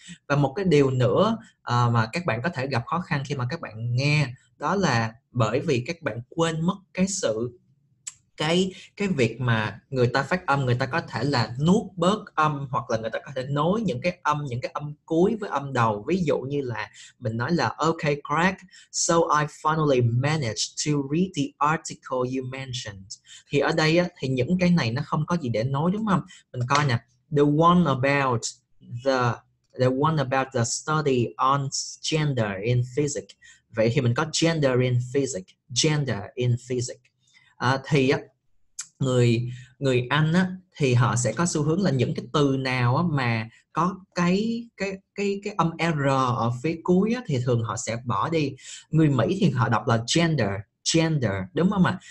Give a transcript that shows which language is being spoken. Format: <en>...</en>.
<vi>Và một cái điều nữa mà các bạn có thể gặp khó khăn khi mà các bạn nghe, đó là bởi vì các bạn quên mất cái việc mà người ta phát âm, người ta có thể là nuốt bớt âm hoặc là người ta có thể nối những cái âm cuối với âm đầu. Ví dụ như là mình nói là</vi> <en>okay Craig, so I finally managed to read the article you mentioned.</en> <vi>Thì ở đây á, thì những cái này nó không có gì để nối đúng không? Mình coi nè,</vi> <en>the one about the study on gender in physics.</en> <vi>Vậy thì mình có</vi> <en>gender in physics.</en> <vi>Thì á, người người Anh á, thì họ sẽ có xu hướng là những cái từ nào á, mà có cái âm R ở phía cuối á, thì thường họ sẽ bỏ đi. Người Mỹ thì họ đọc là gender gender đúng không ạ?</vi>